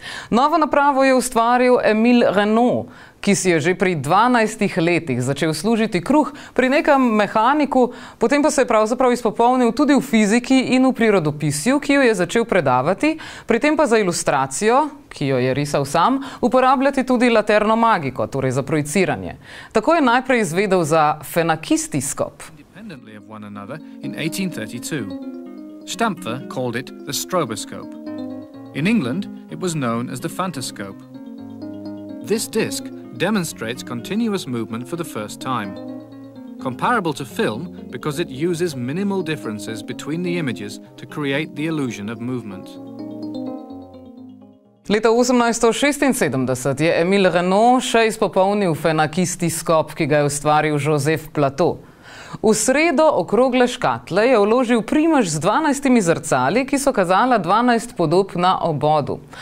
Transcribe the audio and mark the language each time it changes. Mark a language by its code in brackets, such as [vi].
[sl] Novo napravo je ustvaril Emil Renault, ki si je že pri 12 letih začel služiti kruh pri nekem mehaniku, potem pa se je pravzaprav izpopolnil tudi v fiziki in v prirodopisju, ki jo je začel predavati, pri tem pa za ilustracijo, ki jo je risal sam, uporabljati tudi laterno magiko, torej za projiciranje. Tako je najprej izvedel za fenakistiskop. [en] Independently of one another in 1832. Stampfer called it the stroboscope. In England it was known as the phantoscope. This disc demonstrates continuous movement for the first time. Comparable to film because it uses minimal differences between the images to create the illusion of movement. [sl] Leta 1876 je Emil Renault še izpopolnil fenakistiskop, ki ga je ustvaril Joseph Plateau. V sredo okrogle škatle je vložil primež z 12 zrcali, ki so kazala 12 podob na obodu.